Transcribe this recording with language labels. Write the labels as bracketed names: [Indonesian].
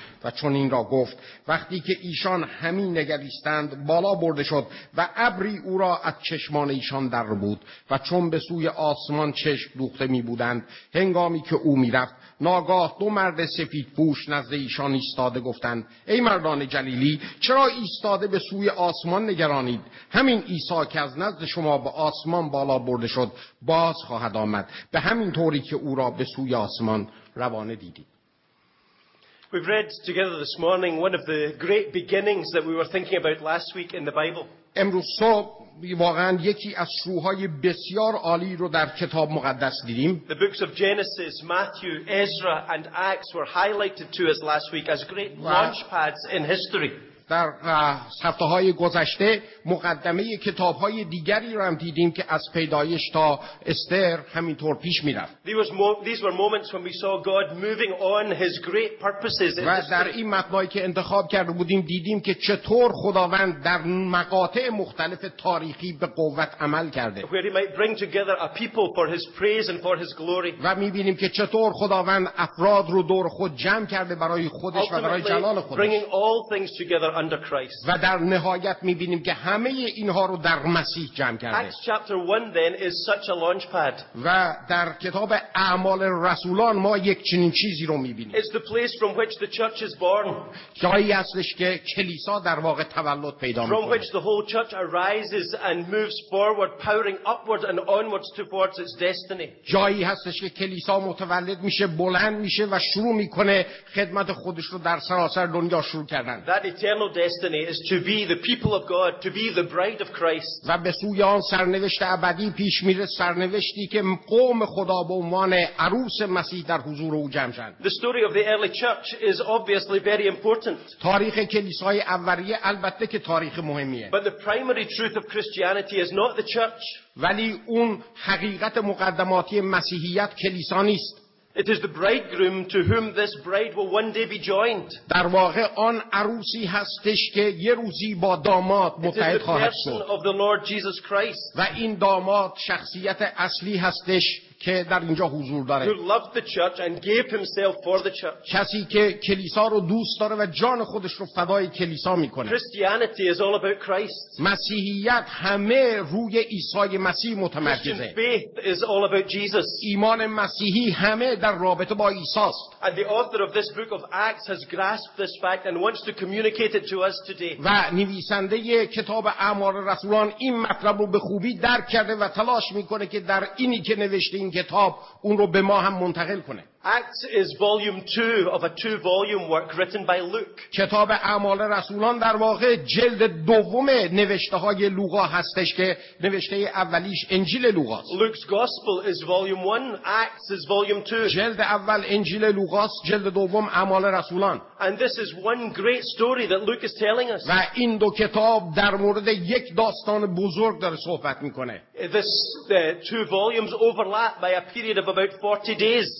[Persian] و چون این را گفت، وقتی که ایشان همین نگریستند بالا برده شد و ابری او را از چشمان ایشان در بود، و چون به سوی آسمان چشم دوخته می بودند هنگامی که او می رفت، ناگاه دو مرد سفید پوش نزد ایشان ایستاده گفتند: ای مردان جلیلی، چرا ایستاده به سوی آسمان نگرانید؟ همین عیسی که از نزد شما به آسمان بالا برده شد باز خواهد آمد به همین طوری که او را به سوی آسمان روانه دیدید. [English] We've read together this morning one of the great beginnings that we were thinking about last week in the Bible. [Persian] امروز صبح واقعاً یکی از شروع‌های بسیار عالی رو در کتاب مقدس دیدیم. [English] The books of Genesis, Matthew, Ezra and Acts were highlighted to us last week as great launch pads in history. [Persian] در هفته های گذشته مقدمه کتاب های دیگری را هم دیدیم که از پیدایش تا استر همینطور پیش می رفت. [English] These were moments when we saw God moving on his great purposes. [Persian] و در این مقطعی که انتخاب کرده بودیم دیدیم که چطور خداوند در مقاطع مختلف تاریخی به قوت عمل کرده. [English] Where he might bring together a people for his praise and for his glory. [Persian] و می بینیم که چطور خداوند افراد رو دور خود جمع کرده برای خودش و برای جلال خودش. [English] Bringing all things together under Christ. [Persian] و در نهایت می‌بینیم که همه اینها رو در مسیح جمع کرده. [English] Acts chapter 1 then is such a launch pad. [Persian] و در کتاب اعمال رسولان ما یک چنین چیزی رو می‌بینیم. [English] It's the place from which the church is born. [Persian] جایی هستش که کلیسا در واقع تولد پیدا می‌کنه. [English] From which the whole church arises and moves forward, powering upwards and onwards towards its destiny. [Persian] جایی هستش که کلیسا متولد میشه، بلند میشه و شروع می‌کنه خدمت خودش رو در سراسر دنیا شروع کردن. [English] Eternal destiny is to be the people of God, to be the bride of Christ. [Persian] و به سوی آن سرنوشت ابدی پیش میره، سرنوشتی که قوم خدا به عنوان عروس مسیح در حضور او جمع شدند. [English] The story of the early church is obviously very important. [Persian] تاریخ کلیسای اولیه البته که تاریخ مهمیه. [English] But the primary truth of Christianity is not the church. [Persian] ولی اون حقیقت مقدماتی مسیحیت کلیسا نیست. [English] It is the bridegroom to whom this bride will one day be joined. [Persian] در واقع آن عروسی هستش که یه روزی با داماد متحد خواهد شد. [English] It is the person of the Lord Jesus Christ. [Persian] و این داماد شخصیت اصلی هستش که در اینجا حضور داره. [English] Who loved the church and gave himself for the church. [Persian] کسی که کلیسا رو دوست داره و جان خودش رو فدای کلیسا میکنه. [English] Christianity is all about Christ. [Persian] مسیحیت همه روی عیسی مسیح متمرکزه. [English] Faith is all about Jesus. [Persian] ایمان مسیحی همه در رابطه با عیسی است. [English] And the author of this book of Acts has grasped this fact and wants to communicate it to us today. [Persian] و نویسنده کتاب اعمال رسولان این مطلب رو به خوبی درک کرده و تلاش میکنه که در اینی که نوشته این کتاب اون رو به ما هم منتقل کنه. [English] Acts is volume 2 of a 2-volume work written by Luke. [Persian] کتاب اعمال رسولان در واقع جلد دوم نوشته های لوقا هستش که نوشته اولیش انجیل لوقا است. [English] Luke's gospel is volume 1, Acts is volume 2. [Persian] جلد اول انجیل لوقا است، جلد دوم اعمال رسولان. [English] And this is one great story that Luke is telling us. [Persian] و این دو کتاب در مورد یک داستان بزرگ داره صحبت میکنه. [English] The two volumes overlap by a period of about 40 days.